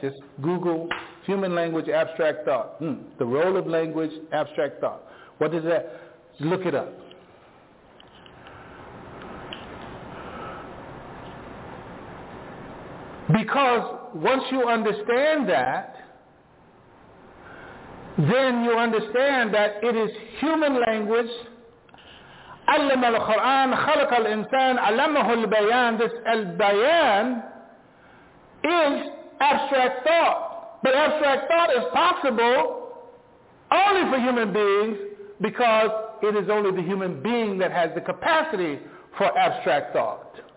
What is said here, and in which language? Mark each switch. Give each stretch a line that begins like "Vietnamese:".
English: Just Google human language, abstract thought. The role of language, abstract thought. What is that? Look it up. Because once you understand that, then you understand that it is human language.
Arabic: علم القرآن خلق الإنسان علمه البيان.
English: This البيان is abstract thought. But abstract thought is possible only for human beings because it is only the human being that has the capacity for abstract thought.